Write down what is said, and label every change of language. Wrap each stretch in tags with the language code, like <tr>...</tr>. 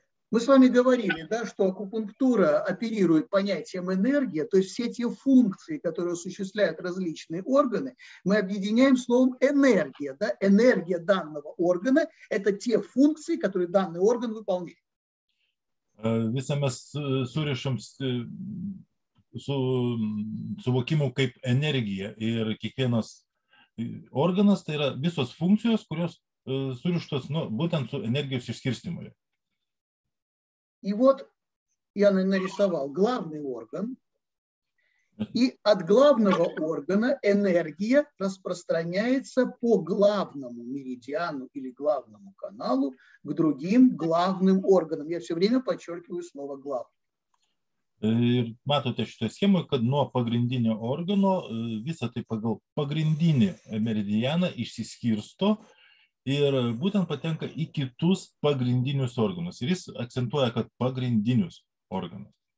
<ru>Мы с вами говорили, да, что акупунктура оперирует понятием энергия, то есть все те функции, которые осуществляют различные органы, мы объединяем словом энергия. Да? Энергия данного органа – это те функции, которые данный орган выполняет.</ru> <lt>Visą mes surišam su suvokimu kaip energija ir kiekvienas organas, tai yra visos funkcijos, kurios surištos nu, būtent su energijos išskirstymu.</lt> <ru>И вот я нарисовал главный орган, и от главного органа энергия распространяется по главному меридиану или главному каналу к другим главным органам. Я все время подчеркиваю слово «главный».</ru> <lt>Matote šitą schemą, kad nuo pagrindinio organo visą tai pagal pagrindinį meridianą išsiskirsto ir būtent patenka į kitus pagrindinius organus. Ir jis akcentuoja, kad pagrindinius organus.</lt>